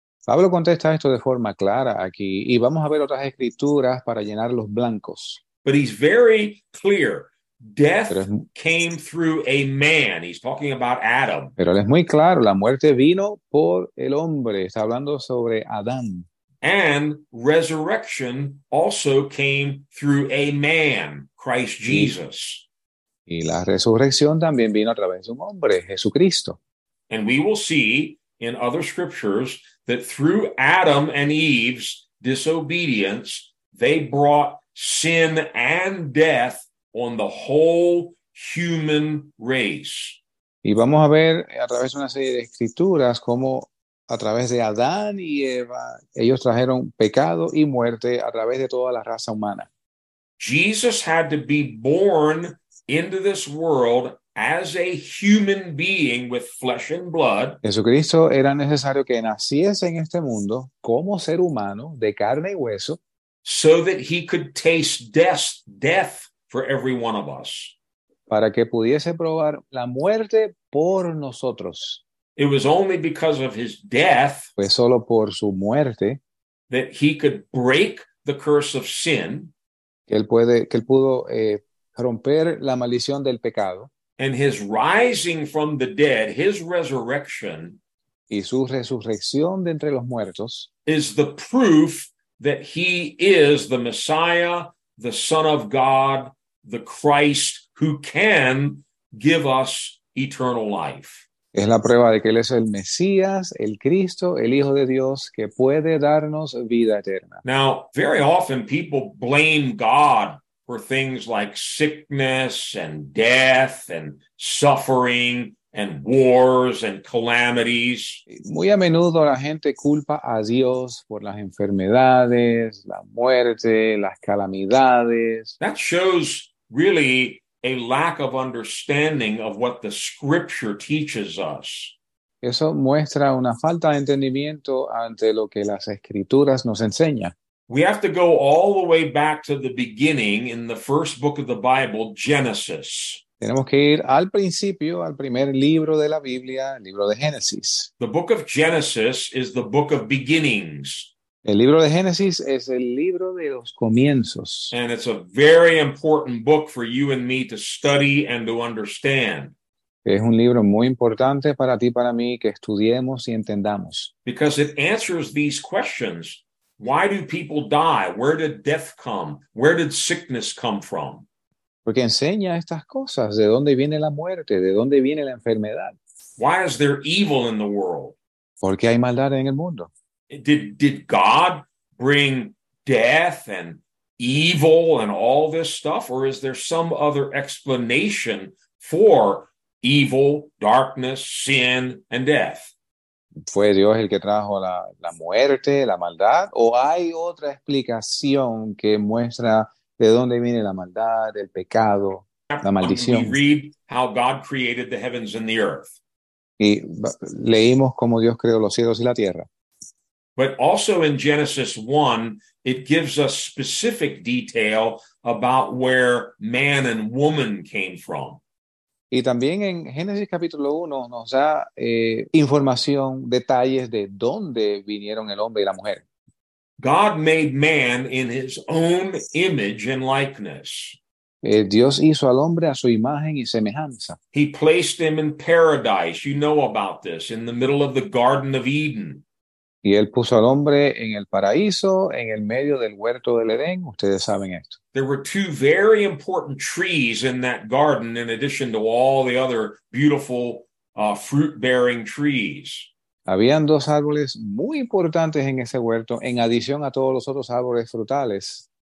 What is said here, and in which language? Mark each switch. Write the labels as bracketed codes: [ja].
[es] Pablo contesta esto de forma clara aquí y vamos a ver otras escrituras para llenar los blancos. [en] But he's very clear. Death came through a man. He's talking about Adam. [es] Pero es muy claro, la muerte vino por el hombre. Está hablando sobre Adán. [en] And resurrection also came through a man, Christ Jesus. [es] Y la resurrección también vino a través de un hombre, Jesucristo. [en] And we will see in other scriptures that through Adam and Eve's disobedience, they brought sin and death on the whole human race. [es] Y vamos a ver a través de una serie de escrituras cómo a través de Adán y Eva ellos trajeron pecado y muerte a través de toda la raza humana. [en] Jesus had to be born into this world as a human being with flesh and blood. [es] Jesucristo era necesario que naciese en este mundo como ser humano de carne y hueso, [en] so that he could taste death. For every one of us. [es] Para que pudiese probar la muerte por nosotros. [en] It was only because of his death. [es] Fue solo por su muerte. [en] That he could break the curse of sin. [es] Que él pudo romper la maldición del pecado. [en] And his rising from the dead, his resurrection. [es] Y su resurrección de entre los muertos. [en] Is the proof that he is the Messiah, the Son of God, the Christ who can give us eternal life. [es] Es la prueba de que él es el Mesías, el Cristo, el Hijo de Dios, que puede darnos vida eterna. [en] Now, very often people blame God for things like sickness and death and suffering and wars and calamities. [es] Muy a menudo la gente culpa a Dios por las enfermedades, la muerte, las calamidades. [en] That shows really a lack of understanding of what the scripture teaches us. [es] Eso muestra una falta de entendimiento ante lo que las escrituras nos enseña. [en] We have to go all the way back to the beginning in the first book of the Bible, Genesis. [es] Tenemos que ir al principio, al primer libro de la Biblia, el libro de Génesis. [en] The book of Genesis is the book of beginnings. [es] El libro de Génesis es el libro de los comienzos. [en] And it's a very important book for you and me to study and to understand. [es] Es un libro muy importante para ti, para mí, que estudiemos y entendamos. [en] Because it answers these questions. Why do people die? Where did death come? Where did sickness come from? [es] Porque enseña estas cosas. ¿De dónde viene la muerte? ¿De dónde viene la enfermedad? [en] Why is there evil in the world? [es] ¿Por qué hay maldad en el mundo? [en] Did God bring death and evil and all this stuff? Or is there some other explanation for evil, darkness, sin, and death? [es] ¿Fue Dios el que trajo la muerte, la maldad? ¿O hay otra explicación que muestra de dónde viene la maldad, el pecado, la maldición? [en] We read how God created the heavens and the earth. [es] Y leímos cómo Dios creó los cielos y la tierra. [en] But also in Genesis 1, it gives us specific detail about where man and woman came from. [es] Y también en Génesis capítulo 1 nos da información, detalles de dónde vinieron el hombre y la mujer. [en] God made man in his own image and likeness. [es] Dios hizo al hombre a su imagen y semejanza. [en] He placed him in paradise. You know about this, in the middle of the Garden of Eden. [es] Y él puso al hombre en el paraíso, en el medio del huerto del Edén. Ustedes saben esto. [en] There were two very important trees in that garden, in addition to all the other beautiful fruit-bearing trees. [es] Habían dos árboles muy importantes en ese huerto, en adición a todos los otros árboles frutales.